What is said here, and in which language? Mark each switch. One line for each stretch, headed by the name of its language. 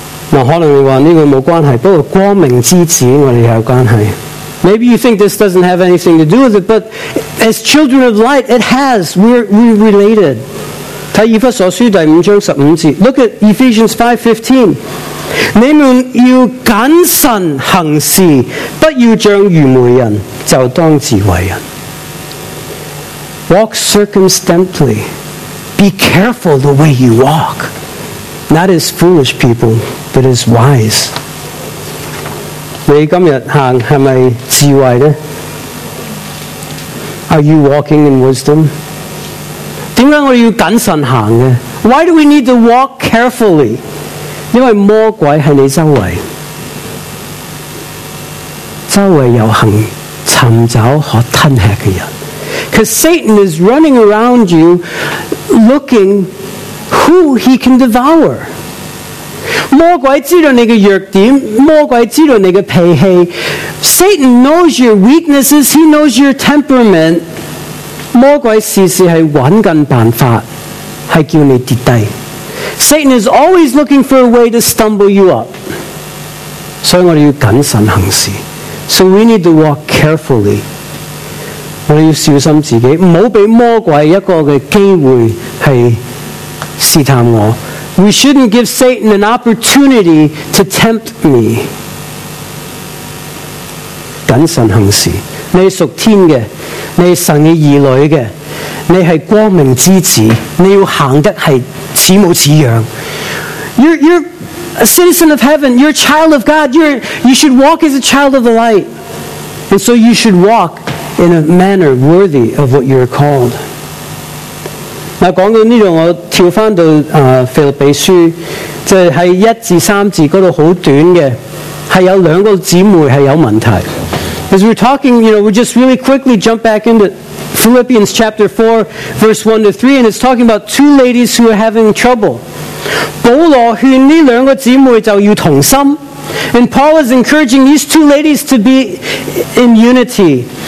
Chinese: 那可能你说这个没关系，不过光明之子我们有关系。
English: Maybe you think this doesn't have anything to do with it, but as children of light, it has. We're related.
Chinese: 看以弗所书第五章十五节。
English: Look at Ephesians 5:15.
Chinese: 你们要谨慎行事，不要像愚昧人，就当自为人。
English: Walk circumspectly. Be careful the way you walk. Not as foolish people, but as wise.
Chinese: 你今天行是不是智慧呢?
English: Are you walking in wisdom?
Chinese: 为什么我要谨慎行呢?
English: Why do we need to walk carefully?
Chinese: 因为魔鬼在你周围。周围有行寻找和吞吃的人。
English: Because Satan is running around you looking who he can devour.
Chinese: 魔鬼知道你的弱点，魔鬼知道你的脾气。
English: Satan knows your weaknesses, he knows your temperament.
Chinese: 魔鬼时时是找紧办法，是叫你跌低。
English: Satan is always looking for a way to stumble you up.
Chinese: 所以我们要谨慎行事。
English: So we need to walk carefully.
Chinese: 我们要小心自己不要给魔鬼一个的机会去试探我
English: We shouldn't give Satan an opportunity to tempt me
Chinese: 谨慎行事你属天的你是神的儿女的你是光明之子你要行得是似模似样
English: You're a citizen of heaven You're a child of God You should walk as a child of the light And so you should walk in a manner worthy of what you are called.
Chinese: 那讲到这里我跳回到腓立比书，就是一至三节那里很短的，是有两个姊妹是有问题。
English: As we're talking, you know, we'll just really quickly jump back into Philippians chapter 4, verse 1 to 3, and it's talking about two ladies who are having trouble.
Chinese: 保罗劝这两个姊妹就要同心。
English: And Paul is encouraging these two ladies to be in unity.